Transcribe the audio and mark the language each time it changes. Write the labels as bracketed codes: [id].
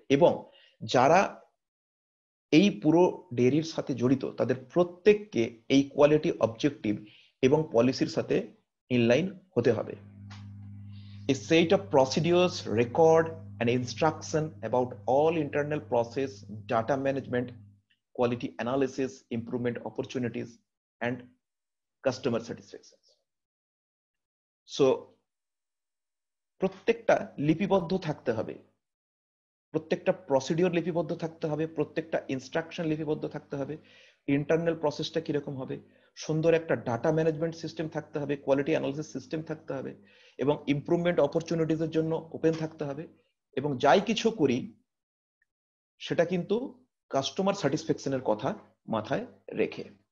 [bn] এবং যারা এই পুরো ডেয়ারির সাথে জড়িত তাদের প্রত্যেককে এই কোয়ালিটি অবজেক্টিভ এবং পলিসির সাথে ইনলাইন হতে হবে। [en] A set of procedures, record and instruction about all internal process, data management, quality analysis, improvement opportunities, and customer satisfaction. [bn] So, প্রত্যেকটা লিপিবদ্ধ থাকতে হবে, প্রত্যেকটা প্রসিডিওর লিপিবদ্ধ থাকতে হবে, প্রত্যেকটা ইনস্ট্রাকশন লিপিবদ্ধ থাকতে হবে, ইন্টারনাল প্রসেসটা কিরকম হবে, সুন্দর একটা ডাটা ম্যানেজমেন্ট সিস্টেম থাকতে হবে, কোয়ালিটি অ্যানালিসিস সিস্টেম থাকতে হবে, এবং ইম্প্রুভমেন্ট অপরচুনিটিস এর জন্য ওপেন থাকতে হবে, এবং যাই কিছু করি সেটা কিন্তু কাস্টমার স্যাটিসফ্যাকশনের কথা মাথায় রেখে